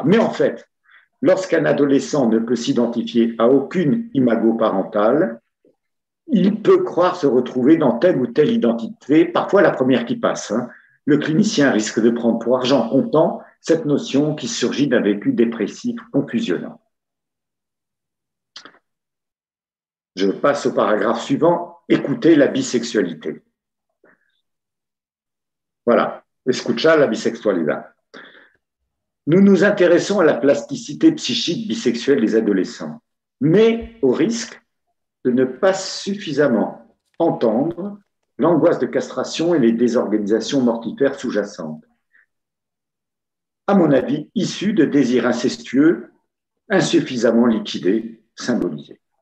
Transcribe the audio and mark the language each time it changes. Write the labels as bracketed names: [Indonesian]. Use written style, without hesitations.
[French] Mais en fait, lorsqu'un adolescent ne peut s'identifier à aucune imago parentale, il peut croire se retrouver dans telle ou telle identité, parfois la première qui passe. Hein. Le clinicien risque de prendre pour argent comptant cette notion qui surgit d'un vécu dépressif confusionnant. Je passe au paragraphe suivant, écoutez la bisexualité. Voilà, [Spanish] escucha la bisexualidad. [French] Nous nous intéressons à la plasticité psychique bisexuelle des adolescents, mais au risque de ne pas suffisamment entendre l'angoisse de castration et les désorganisations mortifères sous-jacentes. À mon avis, issues de désirs incestueux, insuffisamment liquidés, symbolisés.